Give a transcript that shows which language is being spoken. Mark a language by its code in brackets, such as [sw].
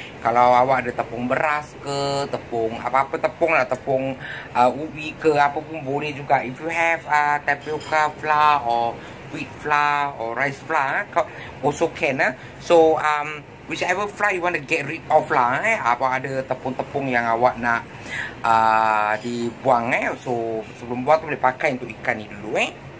[ms] Kalau awak ada tepung beras ke, tepung apa-apa tepung lah, tepung ubi ke, apa pun boleh juga. [en] If you have tapioca flour or wheat flour or rice flour, also can eh. So whichever flour you want to get rid of lah eh. [ms] Apa ada tepung-tepung yang awak nak dibuang eh. So sebelum buat tu boleh pakai untuk ikan ni dulu eh.